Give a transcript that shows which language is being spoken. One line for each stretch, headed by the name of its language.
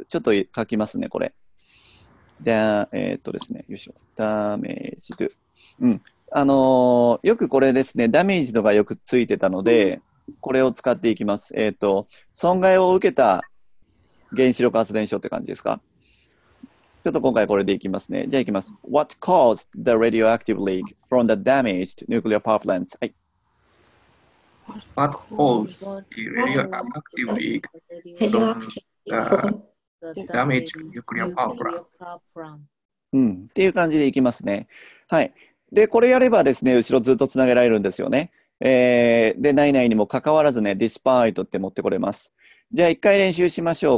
Japanese: ちょっと書きますね、これ。ですね、よいしょ。ダメージ。うん。よくこれですね、ダメージとかよくついてたので、これを使っていきます。損害を受けた原子力発電所って感じですか。ちょっと今回これでいきますね。じゃあいきます。
English: What caused the radioactive leak from the damaged nuclear power plant?
Japanese: はい。
English: What caused the radioactive leak from the damaged nuclear power plant?
Japanese: うん。っていう感じでいきますね。はい。で、これやればですね、後ろずっとつなげられるんですよね。で、ないないにもかかわらずね、despite って持ってこれます。じゃあ一回練習しましょう。